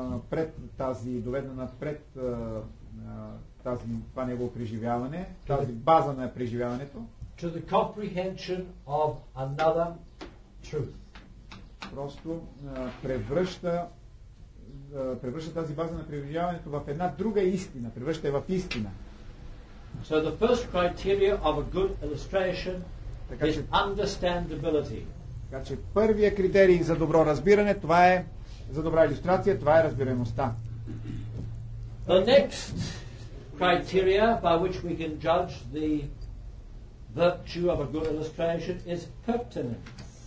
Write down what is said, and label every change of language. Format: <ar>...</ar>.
<bg>Пред тази доведена пред тази това негово преживяване, тази база на преживяването.</bg> <en>To the comprehension of another truth.</en> <bg>Просто превръща тази база на преживяването в една друга истина, превръща я в истина.</bg> <en>So the first criteria of a good illustration is understandability.</en> <bg>Така че първия критерий за добро разбиране, това е за добра илюстрация, това е разбираемостта.</bg> <en>The next criteria by which we can judge the virtue of a good illustration is pertinence.</en>